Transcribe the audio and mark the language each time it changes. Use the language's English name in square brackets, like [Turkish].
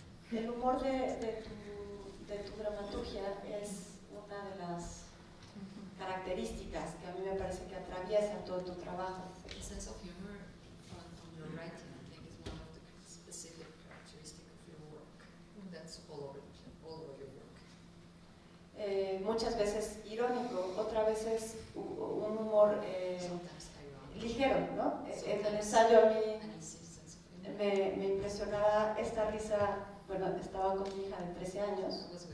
[Spanish] El humor de tu dramaturgia es una de las características que a mí me parece que atraviesa todo tu trabajo. [English] The sense of humor from your writing, I think, is one of the specific characteristics of your work. That's all over your work. [Spanish] Muchas veces irónico, otras veces un humor ligero, ¿no? En el ensayo a mí me impresionaba esta risa. Bueno, estaba con mi hija de 13 años.